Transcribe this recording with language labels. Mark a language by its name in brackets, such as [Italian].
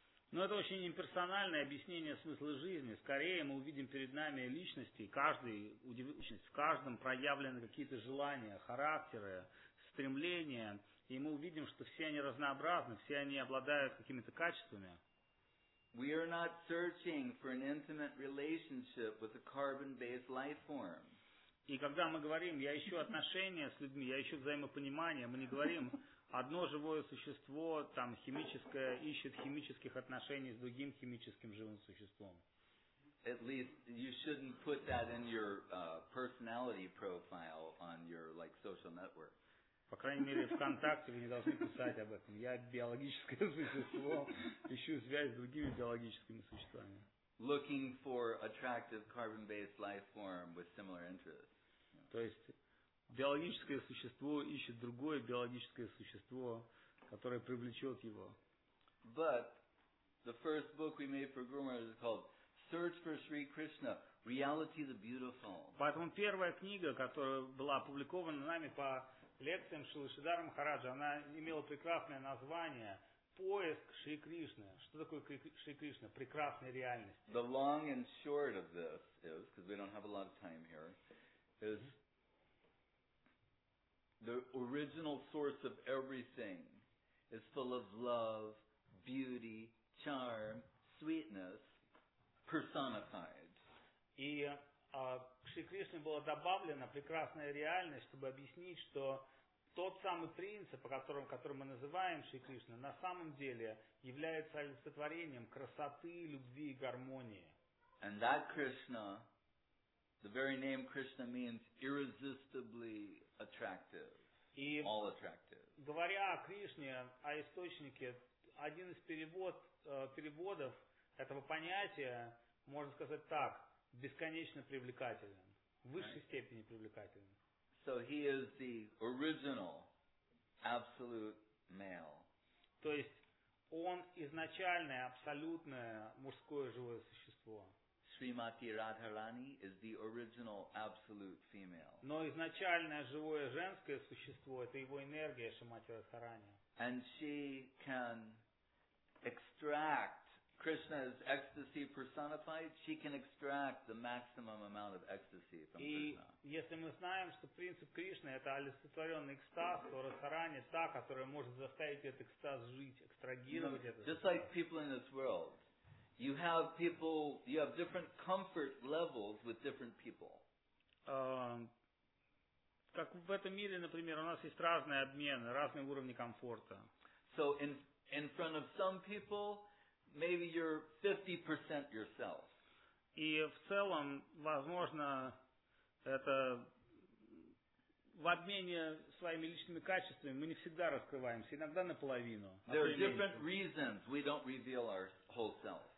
[Russian] Но это очень имперсональное объяснение смысла жизни. Скорее мы увидим перед нами личности, каждый удивительность, в каждом проявлены какие-то желания, характеры, стремления, и мы увидим, что все они разнообразны, все они обладают какими-то качествами. [English] We are not searching for an intimate relationship with a carbon-based life form. [Russian] И когда мы говорим, я ищу отношения с людьми, я ищу взаимопонимание, мы не говорим, одно живое существо, там, химическое, ищет химических отношений с другим химическим живым существом. [English] At least you shouldn't put that in your personality profile on your, like, social network. [Russian] По крайней мере, ВКонтакте вы не должны писать об этом. Я биологическое существо, ищу связь с другими биологическими существами. [English] Looking for attractive carbon-based life form with similar interests. [Russian] То есть биологическое существо ищет другое биологическое существо, которое привлечет его. [English] But the first book we made for Groomer is called Search for Sri Krishna. Reality the Beautiful. [Russian] Поэтому первая книга, которая была опубликована нами по лекциям Шрилы Шридхара Махараджа, она имела прекрасное название «Поиск Шри Кришны». Что такое Шри Кришна? Прекрасная реальность. [English] The long and short of this is, because we don't have a lot of time here, is the original source of everything is full of love, beauty, charm, sweetness, personified. [Russian] И к Шри Кришне была добавлена прекрасная реальность, чтобы объяснить, что тот самый принцип, который мы называем Шри Кришна, на самом деле является олицетворением красоты, любви и гармонии. [English] And that Krishna, the very name Krishna means irresistibly attractive, [Russian] и [English] all attractive. [Russian] Говоря о Кришне, о источнике, один из переводов этого понятия, можно сказать так, бесконечно привлекателен, в высшей [English] right. [Russian] степени привлекателен. [English] So he is the original, absolute male. [Russian] То есть он изначальное, абсолютное мужское живое существо. [English] Шримати Радхарани is the original, absolute female. [Russian] Но изначальное живое женское существо – это его энергия, Шримати Радхарани. [English] And she can extract Krishna is ecstasy personified, she can extract the maximum amount of ecstasy from Krishna. [Russian] И если мы знаем, что принцип Кришны это олицетворенный экстаз, то Радхарани та, которая может заставить этот экстаз жить, экстрагировать этот экстаз. [English] Just like people in this world. You have different comfort levels with different people. [Russian] Как в этом мире, например, у нас есть разные обмены, разные уровни комфорта. [English] So in front of some people, maybe you're 50% yourself. [Russian] И в целом, возможно, это в обмене своими личными качествами мы не всегда раскрываемся, иногда наполовину. [English] There are different reasons we don't reveal our whole self.